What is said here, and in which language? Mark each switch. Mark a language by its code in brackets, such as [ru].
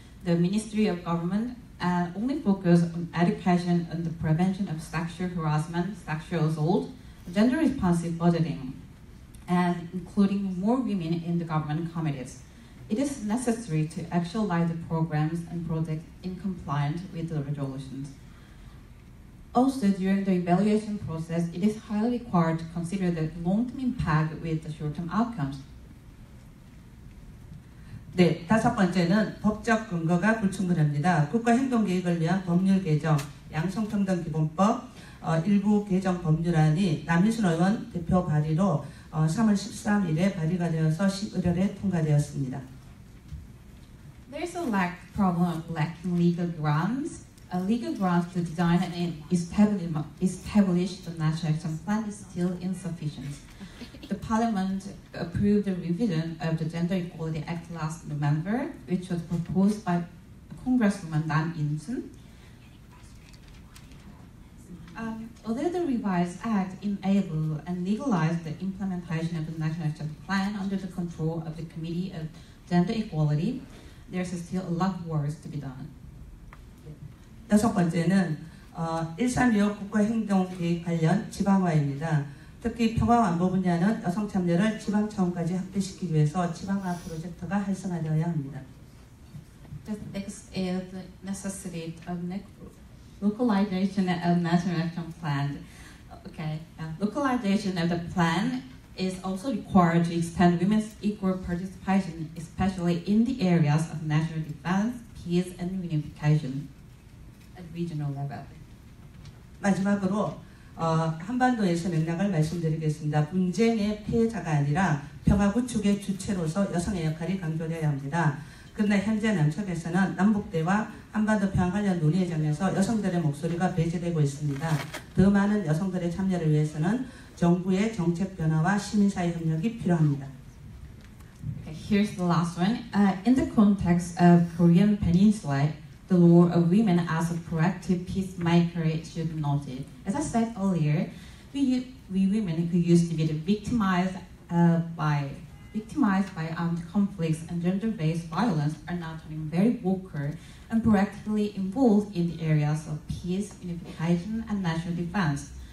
[en] The Ministry of Government only focus on education and the prevention of sexual harassment, sexual assault, gender responsive budgeting, and including more women in the government committees. It is necessary to actualize the programs and projects in compliance with the resolutions. Also, during the evaluation process, it is highly required to consider the long-term impact with the short-term outcomes. [ko] 네, 다섯 번째는 법적 근거가 불충분합니다. 국가 행동 계획을 위한 법률 개정, 양성평등 기본법 일부 개정 법률안이 남희순 의원 대표 발의로 3월 13일에 발의가 되어서 11월에 통과되었습니다. [en] There's a lack problem of lacking legal grounds. A legal grounds to design and establish the national action plan is still insufficient. The Parliament approved the revision of the Gender Equality Act last November, which was proposed by Congresswoman Dan Inson. Although the revised act enabled and legalized the implementation of the National Action Plan under the control of the Committee of Gender Equality, there's still a lot of work to be done. [ko] 다섯 번째는 1325 국가행동계획 관련 지방화입니다. 특히 평화안보 분야는 여성 참여를 지방차원까지 확대시키기 위해서 지방화 프로젝트가 활성화되어야 합니다. [en] The next is the necessity of localization of national action plan. Okay, localization of the plan is also required to extend women's equal participation, especially in the areas of national defense, peace, and reunification at regional level. [ko] 마지막으로 한반도에서 맥락을 말씀드리겠습니다. 분쟁의 피해자가 아니라 평화 구축의 주체로서 여성의 역할이 강조되어야 합니다. 그러나 현재 남측에서는 남북대화, 한반도 평화 관련 논의의 장에서 여성들의 목소리가 배제되고 있습니다. 더 많은 여성들의 참여를 위해서는 정부의 정책 변화와 시민사회 협력이 필요합니다. [en] Okay, here's the last one. In the context of Korean Peninsula, the role of women as a proactive peacemaker should be noted. As I said earlier, we women who used to be victimized by armed conflicts and gender-based violence are now turning very vocal and proactively involved in the areas of peace, unification, and national defense.